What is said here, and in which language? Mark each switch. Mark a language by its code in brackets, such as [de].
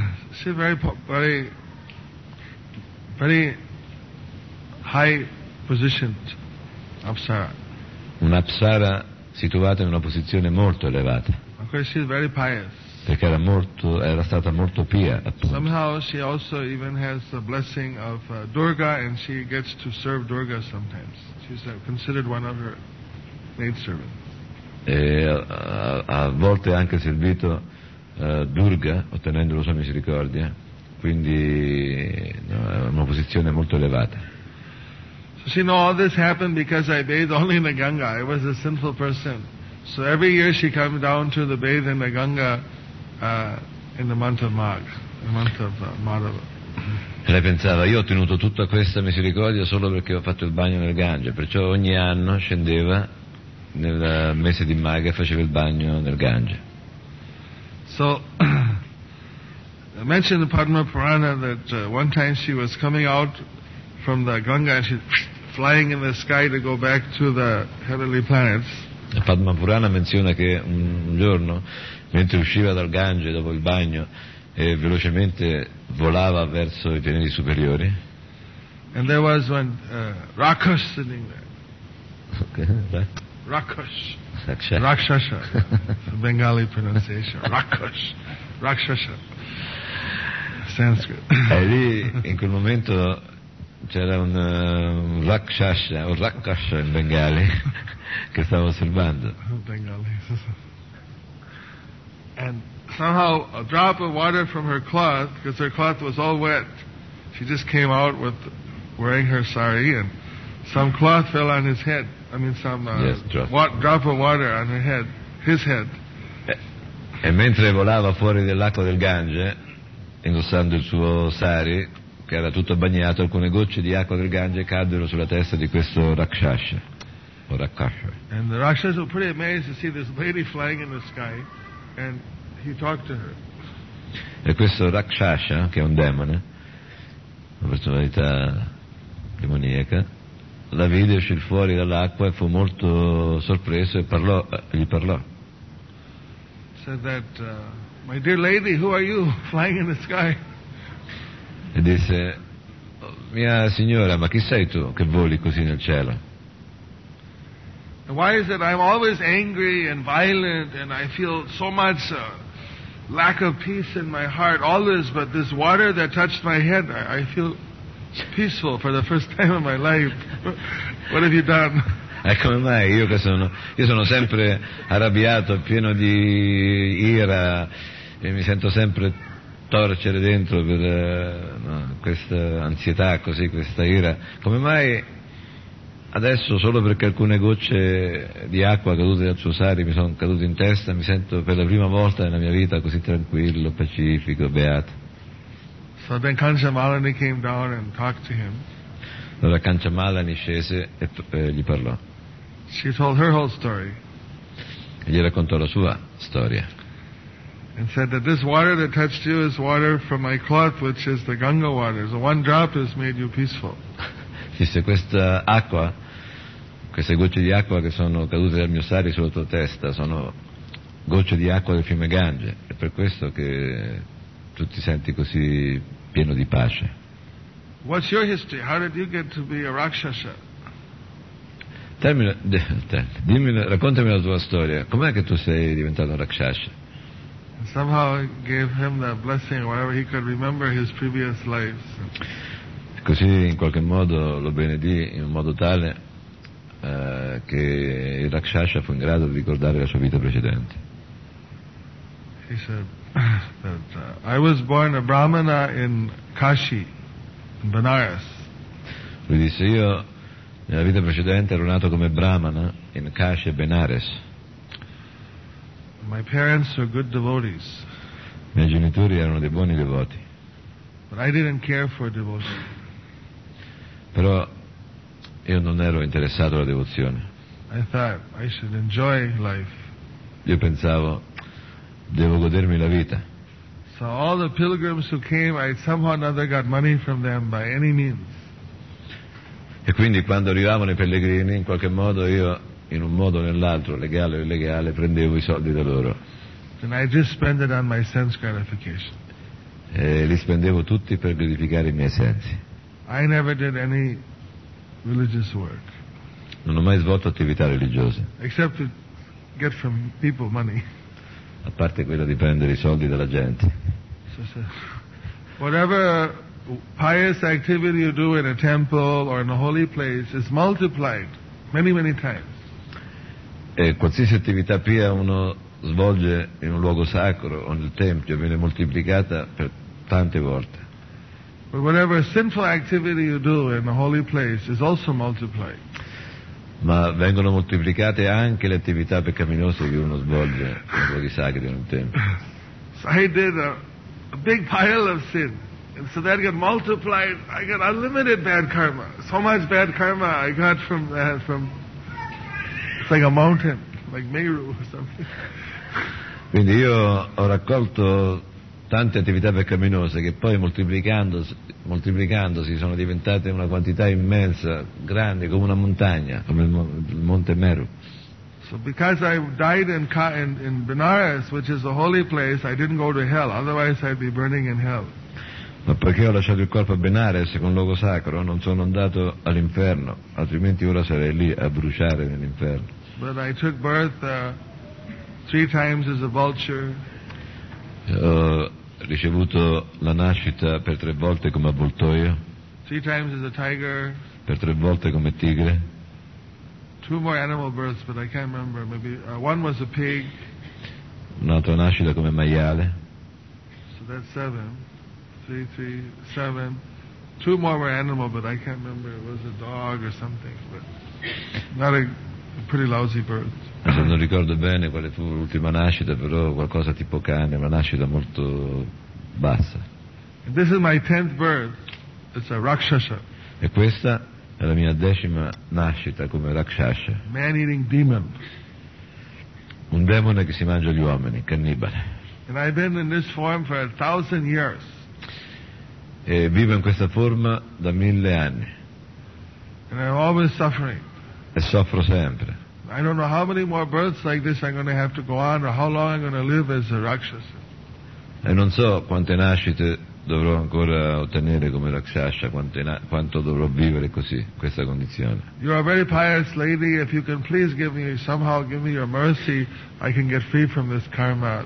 [it] Sì, [en] very, very, very high position, Apsara. [it] Un'Apsara situata in una posizione molto elevata. [en] Because she is very pious. [it] Perché era molto, era stata molto pia, appunto. [en] Somehow she also even has the blessing of Durga, and she gets to serve Durga sometimes. She's considered one of her maid servants. [it] E a volte ha anche servito Durga, ottenendo la sua misericordia. Quindi no, è una posizione molto elevata. [en] So she knows all this happened because I bathed only in the Ganga. I was a sinful person. So every year she comes down to the bathe in the Ganga. In the month of Magh, the month of Madhava. [it] Lei pensava, io ho ottenuto tutta questa misericordia solo perché ho fatto il bagno nel Gange, perciò ogni anno scendeva nel mese di Magh e faceva il bagno nel Gange. [en] So I mentioned the Padma Purana that one time she was coming out from the Ganga and she's flying in the sky to go back to the heavenly planets. [it] La Padma Purana menziona che un giorno, mentre usciva dal Gange dopo il bagno, velocemente volava verso i pianeti superiori. [en] And there was one Rakshas sitting there. Rakshasa. Bengali pronunciation. Rakshas. Rakshasa. Sanskrit. [it] E lì, in quel momento, c'era un Rakshasa, o Rakshasa in Bengali, che stava osservando. [en] Bengali. And somehow a drop of water from her cloth, because her cloth was all wet, she just came out with wearing her sari, and some cloth fell on his head. I mean, some drop of water on her head, his head. [it] E mentre volava fuori dell'acqua del Gange, indossando il suo sari, che era tutto bagnato, alcune gocce di acqua del Gange caddero sulla testa di questo Rakshasa, o Rakshasa. [en] And the Rakshasa were pretty amazed to see this lady flying in the sky. And he talked to her. [it] E questo Rakshasa, che è un demone, una personalità demoniaca, la vide uscir fuori dall'acqua e fu molto sorpreso e parlò, gli parlò. [en] Said that, my dear lady, who are you flying in the sky? [it] E disse, mia signora, ma chi sei tu che voli così nel cielo? [en] Why is it I'm always angry and violent and I feel so much lack of peace in my heart always, but this water that touched my head, I feel peaceful for the first time in my life. What have you done? [it] E come mai io che sono, io sono sempre arrabbiato, pieno di ira, e mi sento sempre torcere dentro per questa ansietà, così, questa ira. Come mai adesso, solo perché alcune gocce di acqua cadute dal suo sari mi sono cadute in testa, mi sento per la prima volta nella mia vita così tranquillo, pacifico, beato. [en] So then Kanchamalani came down and talked to him. [it] Allora Kanchamalani scese e gli parlò. [en] She told her whole story. [it] E gli raccontò la sua storia. [en] And said that this water that touched you is water from my cloth, which is the Ganga water. So one drop has made you peaceful. [it] Disse, questa acqua, queste gocce di acqua che sono cadute dal mio sari sulla tua testa, sono gocce di acqua del fiume Gange, è per questo che tu ti senti così pieno di pace. [en] What's your history? How did you get to be a Rakshasa? [it] Dimmi, raccontami la tua storia, com'è che tu sei diventato un Rakshasa? [en] Somehow I gave him the blessing, whatever he could remember his previous lives. [it] Così in qualche modo lo benedì in un modo tale che il Rakshasa fu in grado di ricordare la sua vita precedente. [en] He said that I was born a Brahmana in Kashi, in Benares. [it] Lui disse, io nella vita precedente ero nato come Brahmana in Kashi e Benares. [en] My parents were good devotees. [it] I miei genitori erano dei buoni devoti. [en] But I didn't care for devotion. [it] Però io non ero interessato alla devozione. [en] I thought I should enjoy life. [it] Io pensavo, devo godermi la vita. [en] So all the pilgrims who came, I somehow or another got money from them by any means. [it] E quindi quando arrivavano i pellegrini, in qualche modo io, in un modo o nell'altro, legale o illegale, prendevo i soldi da loro. [en] And I just spend it on my sense gratification. [it] E li spendevo tutti per gratificare i miei sensi. [en] I never did any religious work. [it] Non ho mai svolto attività religiose. [en] Except to get from people money. [it] A parte quella di prendere i soldi dalla gente. [en] Whatever pious activity you do in a temple or in a holy place is multiplied many, many times. [it] E qualsiasi attività pia uno svolge in un luogo sacro o nel tempio viene moltiplicata per tante volte. [en] But whatever sinful activity you do in a holy place is also multiplied. [it] Ma vengono moltiplicate anche le attività peccaminose che uno svolge in luoghi sacri o nel tempio. [en] So I did a big pile of sin. And so that got multiplied. I got unlimited bad karma. So much bad karma I got from it's like a mountain, like Meru or something. [it] Quindi io ho raccolto tante attività peccaminose che poi moltiplicandosi sono diventate una quantità immensa, grande come una montagna, come il monte Meru. [en] So because I died in Benares, which is a holy place, I didn't go to hell. Otherwise I'd be burning in hell. [it] Ma perché ho lasciato il corpo a Benares, un luogo sacro, non sono andato all'inferno, altrimenti ora sarei lì a bruciare nell'inferno. [en] But I took birth three times as a vulture. [it] Ho ricevuto la nascita per tre volte come avvoltoio. [en] Three times as a tiger. [it] Per tre volte come tigre. [en] Two more animal births, but I can't remember. Maybe one was a pig. [it] Un'altra nascita come maiale. [en] So that's seven. Three, seven. Two more were animal, but I can't remember. It was a dog or something, but not a pretty lousy birth. [it] Se non ricordo bene quale fu l'ultima nascita, però qualcosa tipo cane, una nascita molto bassa. [en] This is my tenth birth. It's a rakshasa. [it] E questa è la mia decima nascita come rakshasa. [en] Man-eating demon. [it] Un demone che si mangia gli uomini, cannibale. [en] And I've been in this form for 1,000 years. [it] E vivo in questa forma da 1,000 anni. [en] And I'm always suffering. [it] E soffro sempre. [en] I don't know how many more births like this I'm going to have to go on, or how long I'm going to live as a rakshasa. [it] E non so quante nascite dovrò ancora ottenere come rakshasa, quanto dovrò vivere così, questa condizione. [en] You are a very pious lady. If you can please give me your mercy, I can get free from this karma.